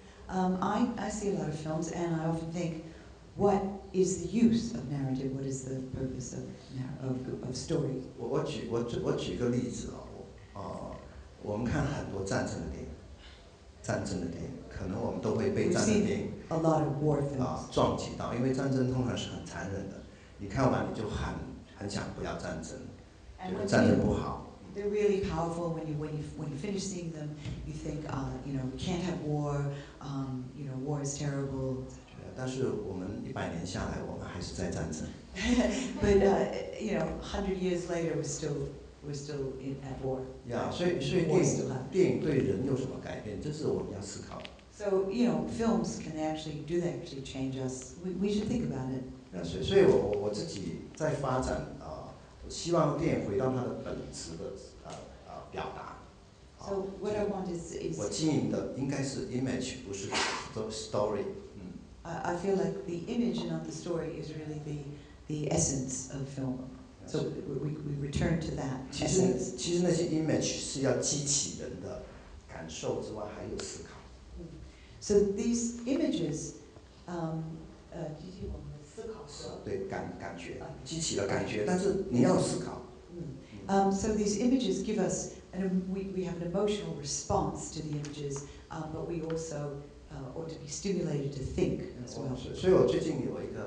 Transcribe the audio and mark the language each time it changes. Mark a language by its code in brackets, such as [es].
[en] I see a lot of films, and I often think. What is the use of narrative? What is the purpose of story? [zh] 我举个例子啊，我们看很多战争的电影，战争的电影，可能我们都会被战争电影 [en] a lot of war films. [zh] 撞击到，因为战争通常是很残忍的，你看完你就很想不要战争，觉得战争不好。 [en] They're really powerful when you finish seeing them. You think, you know, we can't have war. You know, war is terrible. [zh] 但是我们一百年下来，我们还是在战争。 [en] But you know, 100 years later, we're still we're still in at war. Yeah, so [zh] 电影对人有什么改变，这是我们要思考。 [en] So, you know, films can actually, do they actually change us? We should think about it. Yeah, so [zh] 我自己在发展, 希望电影回到它的本质的表达。 [en] So what I want is [zh] 我经营的应该是 image, 不是 story. [en] I feel like the image and not the story is really the essence of film. So we return to that. [zh] 其实那些 image 是要激起人的感受之外，还有思考。 [en] So these images, [zh] 激起我们的思考，对感觉，激起了感觉，但是你要思考。 [en] So these images give us, and we have an emotional response to the images, but we also ought to be stimulated to think as well.